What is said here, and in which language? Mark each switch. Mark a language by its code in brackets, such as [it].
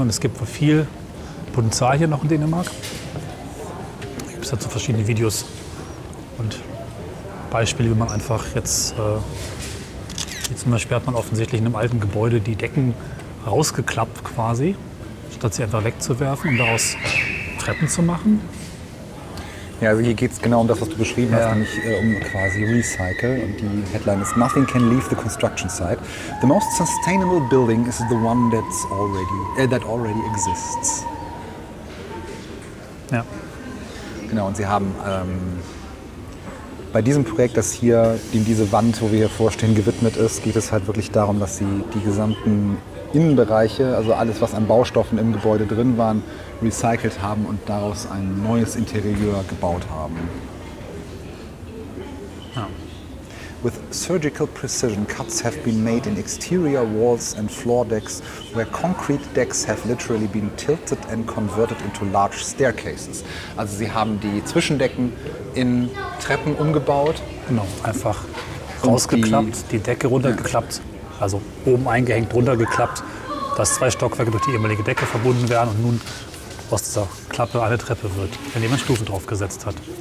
[de] Und es gibt wohl viel Potenzial hier noch in Dänemark. Da gibt es dazu verschiedene Videos und Beispiele, wie man einfach jetzt, wie zum Beispiel hat man offensichtlich in einem alten Gebäude die Decken rausgeklappt quasi, statt sie einfach wegzuwerfen und daraus Treppen zu machen. Ja, also hier geht es genau um das, was du beschrieben hast, nämlich um quasi Recycle. Und die Headline ist: [en] Nothing can leave the construction site. The most sustainable building is the one that's already, that already exists. [de] Ja. Genau, und sie haben bei diesem Projekt, das hier, dem diese Wand, wo wir hier vorstehen, gewidmet ist, geht es halt wirklich darum, dass sie die gesamten Innenbereiche, also alles, was an Baustoffen im Gebäude drin waren, recycelt haben und daraus ein neues Interieur gebaut haben. Ja. [en] With surgical precision, cuts have been made in exterior walls and floor decks, where concrete decks have literally been tilted and converted into large staircases. [de] Also sie haben die Zwischendecken in Treppen umgebaut. Genau, einfach rausgeklappt, die Decke runtergeklappt. Ja. Also oben eingehängt, runtergeklappt, dass zwei Stockwerke durch die ehemalige Decke verbunden werden und nun aus dieser Klappe eine Treppe wird, wenn jemand Stufen draufgesetzt hat.